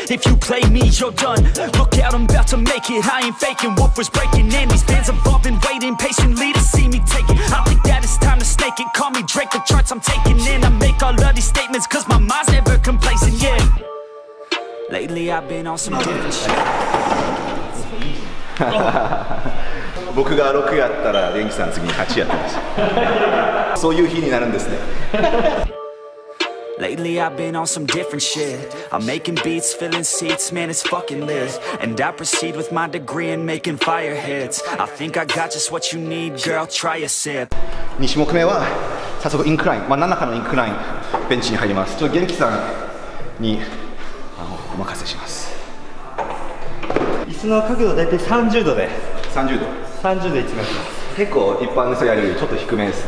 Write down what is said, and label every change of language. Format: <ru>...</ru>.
<en>If you play me, you're done. Look out, I'm about to make it. I ain't faking. Wolf was breaking. And these bands have all been waiting patiently to see me take it. I think that it's time to snake it. Call me Drake, the charts I'm taking. And I make all of these statements, cause my mind's never complacent. Yeah. Lately I've been on some different shit.</en> <ja>僕が6やったら元気さん次に8やってます。そういう日になるんですね。</ja> <en>Lately I've been on some different shit. I'm making beats, filling seats, man it's fucking lit. And I proceed with my degree in making fire hits. I think I got just what you need, girl, try a sip.</en> <ja>2種目目は早速インクライン、まあ、何らかのインクラインベンチに入ります。ちょっと元気さんにお任せします。椅子の角度大体30度で 30度いきます。結構一般の人やるよりちょっと低めです、</ja>